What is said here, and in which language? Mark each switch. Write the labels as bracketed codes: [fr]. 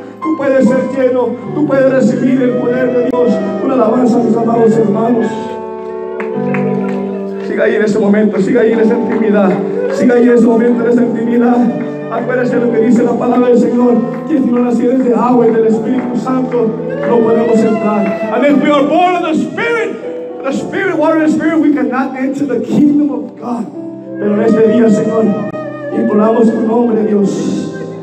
[es] Tú puedes ser lleno. Tú puedes recibir el poder de Dios. Una alabanza a mis amados hermanos. Siga ahí en ese momento, siga ahí en esa intimidad, siga ahí en ese momento, en esa intimidad. Acuérdese lo que dice la palabra del Señor, que si no nacieres de agua y del Espíritu Santo, no podemos entrar. [en] And if we are born of the Spirit, water and Spirit, we cannot enter the kingdom of God. [es] Pero en este día, Señor, imploramos tu nombre, Dios.